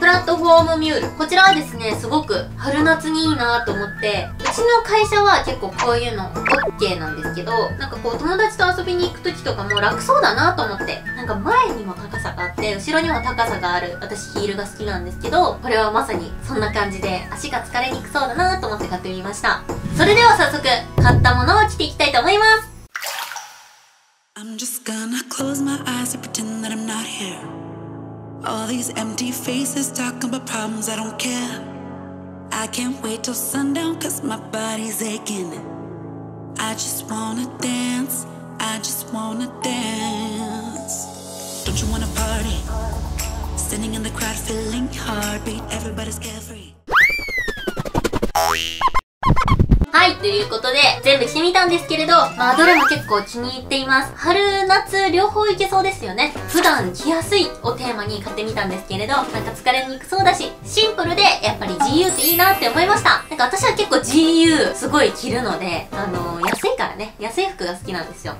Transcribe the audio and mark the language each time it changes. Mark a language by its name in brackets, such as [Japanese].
[Japanese] プラットフォームミュール。こちらはですね、すごく春夏にいいなと思って、うちの会社は結構こういうの OK なんですけど、なんかこう友達と遊びに行く時とかも楽そうだなと思って、なんか前にも高さがあって、後ろにも高さがある。私ヒールが好きなんですけど、これはまさにそんな感じで足が疲れにくそうだなと思って買ってみました。それでは早速、買ったものを着ていきたいと思います。 [English] I'm just gonna close my eyes and pretend that I'm not here. All these empty faces talking about problems I don't care. I can't wait till sundown cause my body's aching. I just wanna dance, I just wanna dance. Don't you wanna party? Standing in the crowd feeling your heartbeat, everybody's carefree. [Japanese] はい、ということで、全部着てみたんですけれど、まあ、どれも結構気に入っています。春、夏、両方いけそうですよね。普段着やすいをテーマに買ってみたんですけれど、なんか疲れにくそうだし、シンプルで、やっぱり GU っていいなって思いました。なんか私は結構 GU、すごい着るので、安いからね、安い服が好きなんですよ。